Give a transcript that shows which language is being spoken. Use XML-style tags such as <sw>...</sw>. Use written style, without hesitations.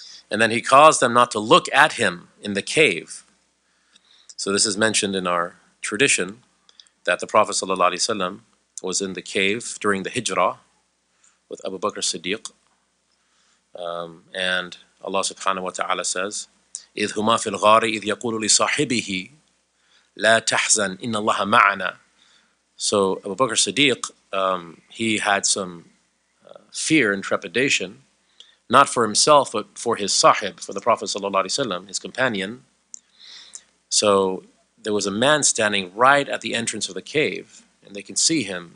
<en>And then he caused them not to look at him in the cave. So this is mentioned in our tradition that the Prophet sallallahu alaihi wasallam was in the cave during the Hijrah with Abu Bakr Siddiq. And Allah subhanahu wa ta'ala says,</en> <ar>إِذْ هُمَا فِي الْغَارِ إِذْ يَقُولُ لِصَاحِبِهِ لَا تَحْزَنْ إِنَّ اللَّهَ مَعَنَا.</ar> <en>So Abu Bakr Siddiq, he had some fear and trepidation, not for himself, but for his sahib, for the Prophet sallallahu alaihi wasallam, his companion. So there was a man standing right at the entrance of the cave, and they can see him.</en>